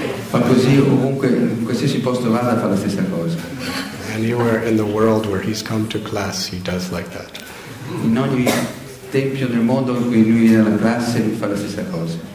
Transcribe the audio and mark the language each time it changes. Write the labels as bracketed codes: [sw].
[it] Fa così ovunque, in qualsiasi posto vada, fa la stessa cosa. [en] Anywhere in the world where he's come to class, he does like that. [it] In ogni tempio nel mondo in cui lui è alla classe, fa la stessa cosa.